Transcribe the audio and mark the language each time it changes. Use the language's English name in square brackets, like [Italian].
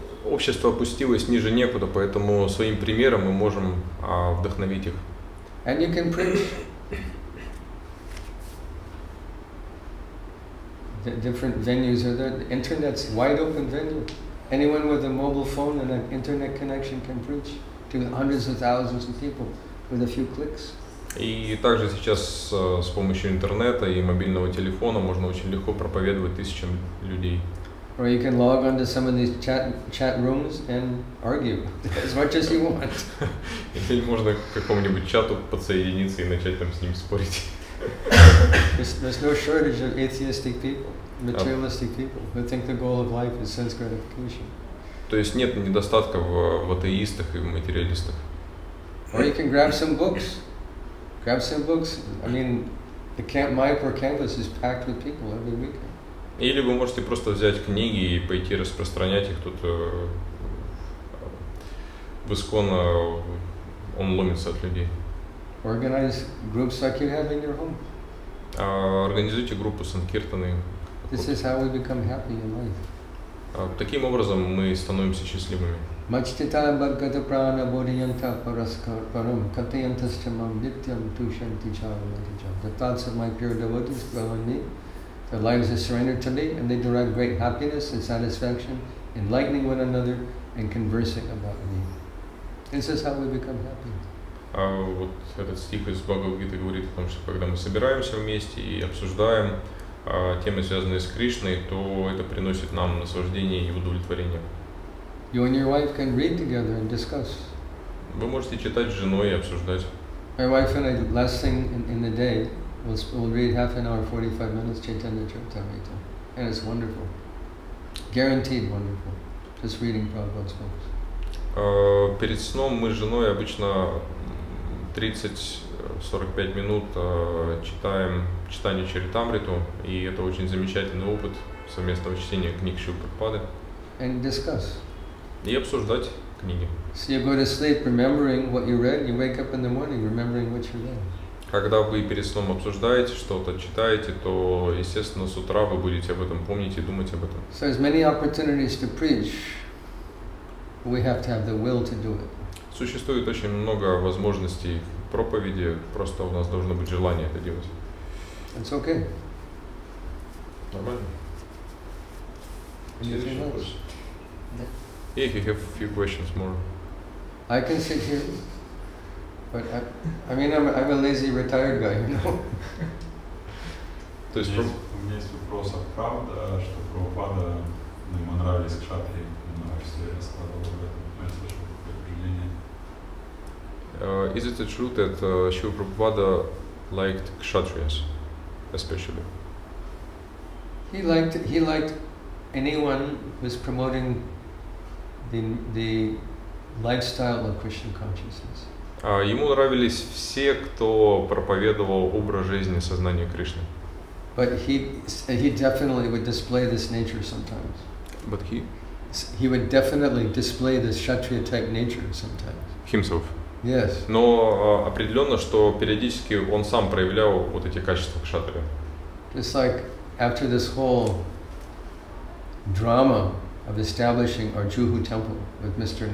[Russian] Общество опустилось ниже некуда, поэтому своим примером мы можем вдохновить их. [English] And you can preach different venues are there. The internet's wide open venue. Anyone with a mobile phone and an internet connection can preach to hundreds of thousands of people with a few clicks. [Russian] И также сейчас с помощью интернета и мобильного телефона можно очень легко проповедовать тысячам людей. [English] Or you can log onto some of these chat rooms and argue as much as you want. [Russian] Или можно к какому-нибудь чату подсоединиться и начать там с ним спорить. [English] There's no shortage of atheistic people, materialistic people who think the goal of life is sense gratification. [Russian] То есть нет недостатка в атеистах и в материалистах. [English] Or you can grab some books. Grab some books. I mean, the camp Mayapur campus is packed with people every weekend. [Russian] Или вы можете просто взять книги и пойти распространять их тут в Искон он ломится от людей. [English] Organize groups like you have in your home. [Russian] Организуйте группу санкиртаны. [English] This is how we become happy in life. [Russian] Таким образом мы становимся счастливыми. [Sanskrit] Мачтитая Бхагавата Прана Бодхиянта Параскар Парам Катаянтасчамам Нитям Тушанти Чарамадичам. [English] The thoughts of my pure devotees dwell in me. Their lives are surrendered to me and they derive great happiness and satisfaction enlightening one another and conversing about me. This is how we become happy. [Russian] Вот этот стих из Бхагавад-гиты говорит о том, что когда мы собираемся вместе и обсуждаем темы, связанные с Кришной, то это приносит нам наслаждение и удовлетворение. [English] You and your wife can read together and discuss. [Russian] Вы можете читать с женой и обсуждать. [English] My wife and I, last thing in the day, we'll read half an hour, 45 minutes, Chaitanya Charitamrita. And it's wonderful. Guaranteed wonderful. Just reading Prabhupada's books. [Russian] Перед сном мы с женой обычно 30-45 минут читаем читание Чаритамриту, и это очень замечательный опыт совместного чтения книг Шрилы Прабхупады. [English] And discuss. [Russian] И обсуждать книги. [English] So you go to sleep remembering what you read, you wake up in the morning remembering what you read. [Russian] Когда вы перед сном обсуждаете что-то, читаете, то, естественно, с утра вы будете об этом помнить и думать об этом. [English] So as many opportunities to preach, we have to have the will to do it. [Russian] Существует очень много возможностей проповеди, просто у нас должно быть желание это делать. It's okay. Нормально. Следующий вопрос. [English] Yeah, if you have a few questions more. I can sit here, but I'm a lazy retired guy, you know. [Russian] То есть у меня есть вопрос, а правда, что Прабхупада ему нравились кшатрии, но все раскладывал это мальчишек определение. [English] Is it true that Шрила Прабхупада liked kshatriyas, especially? He liked anyone who was promoting the lifestyle of Krishna consciousness. [Russian] Ему нравились все, кто проповедовал образ жизни сознания Кришны. [English] But he definitely would display this nature sometimes. But he? He would definitely display this kshatriya type nature sometimes. Himself. Yes. [Russian] Но определенно, что периодически он сам проявлял вот эти качества кшатрия. [English] Just like after this whole drama of establishing our Juhu temple with Mr.